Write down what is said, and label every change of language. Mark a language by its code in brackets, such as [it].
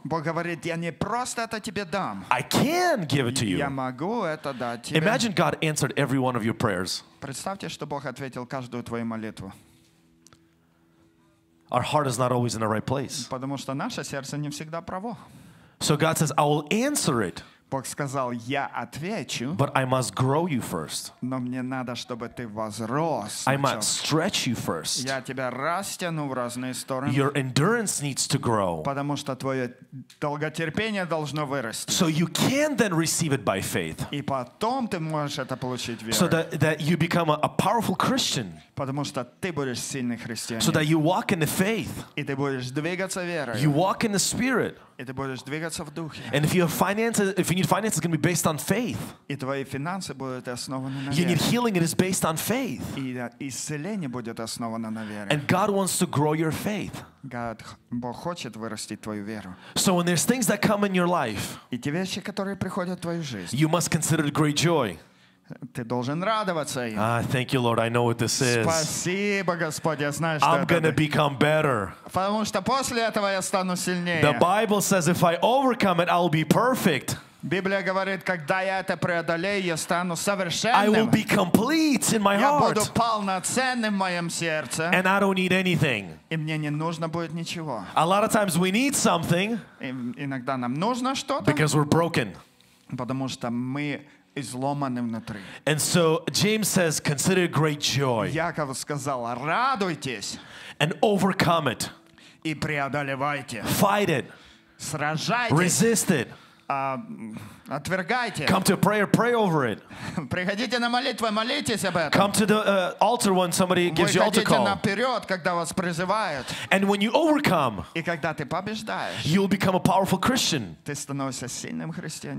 [ru] Бог говорит, я не просто это тебе дам. [en] I can give it to you. [ru] Я могу это дать тебе. [en] Imagine God answered every one of your prayers. [ru] Представьте, что Бог ответил каждую твою молитву. [en] Our heart is not always in the right place. [ru] Потому что наше сердце не всегда право. [en] So God says, I will answer it. [ru] Бог сказал, я отвечу. [en] But I must grow you first. [ru] Но мне надо, чтобы ты возрос. [en] I must stretch you first. [ru] Я тебя растяну в разные стороны. [en] Your endurance needs to grow. [ru] Потому что твое долготерпение должно вырасти. [en] So you can then receive it by faith. [ru] И потом ты можешь это получить верой. [en] So that you become a powerful Christian. [ru] Потому что ты будешь сильный христианин. [en] So that you walk in the faith. [ru] И ты будешь двигаться верой. [en] You walk in the spirit. [ru] И ты будешь двигаться в духе. [en] And if you have finances, if you need finances, it's going to be based on faith. [ru] И твои финансы будут основаны на вере. [en] You need healing, it is based on faith. [ru] И исцеление будет основано на вере. [en] And God wants to grow your faith. [ru] God, Бог хочет вырастить твою веру. [en] So when there's things that come in your life, [ru] и те вещи, которые приходят в твою жизнь, [en] you must consider it great joy. [ru] Ты должен радоваться им. [en] Ah, thank you, Lord. I know what this is. [ru] Спасибо, Господь. Я знаю, что [en] I'm going to become better. [ru] Потому что после этого я стану сильнее. [en] The Bible says if I overcome it, I'll be perfect. [ru] Библия говорит, когда я это преодолею, я стану совершенным. [en] I will be complete in my heart. [ru] Я буду полноценным в моем сердце. [en] And I don't need anything. [ru] И мне не нужно будет ничего. [en] A lot of times we need something. [ru] Иногда нам нужно что-то. [en] Because we're broken. [ru] Потому что мы изломаны внутри. [en] And so James says, consider great joy. [ru] Яков сказал, радуйтесь. [en] And overcome it. [ru] И преодолевайте. [en] Fight it. [ru] Сражайтесь. [en] Resist it. [ru] Отвергайте. [en] Come to prayer, pray over it. [ru] Приходите на молитву, молитесь об этом. [en] Come to the altar when somebody gives you altar call. [ru] Выходите наперед, когда вас призывают. [en] And when you overcome, [ru] и когда ты побеждаешь, [en] you'll become a powerful Christian. [ru] Ты становишься сильным христианином.